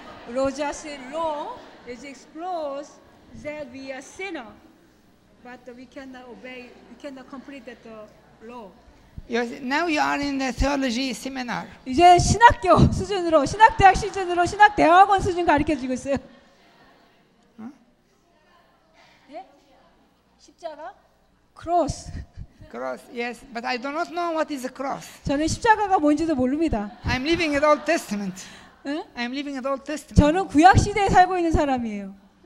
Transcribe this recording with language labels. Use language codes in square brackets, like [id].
[en] 로자 said law is explores that we are sinner, but we cannot obey, we cannot complete that law. Now you are in the theology seminar. [ko] 이제 신학교 수준으로 신학대학 시즌으로 신학대학원 수준 가르쳐 주고 있어요. 예? 십자가? Cross. [en] Cross. Yes, but I do not know what is a cross. [ko] 저는 십자가가 뭔지도 모릅니다. [en] I'm living in the Old Testament. I'm living in the Old Testament. [ko] 저는 구약 시대에 살고 있는 사람이에요.